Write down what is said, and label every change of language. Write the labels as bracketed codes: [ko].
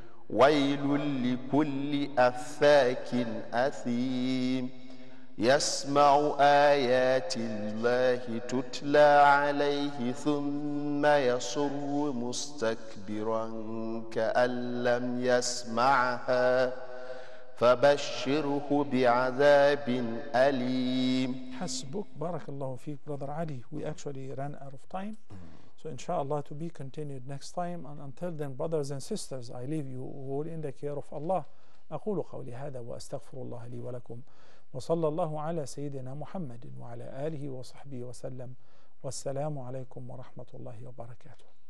[ar] ويل لكل أفاك أثيم يسمع آيات الله تتلى عليه ثم يصر مستكبرا كأن لم يسمعها فبشره بعذاب أليم. حسبك، بارك الله فيك brother علي. [en] We actually ran out of time. So inshallah to be continued next time. And until then, brothers and sisters, I leave you all in the care of Allah. [ar] أقول قولي هذا وأستغفر الله لي ولكم. وصلى الله على سيدنا محمد وعلى آله وصحبه وسلم. والسلام عليكم ورحمة الله وبركاته.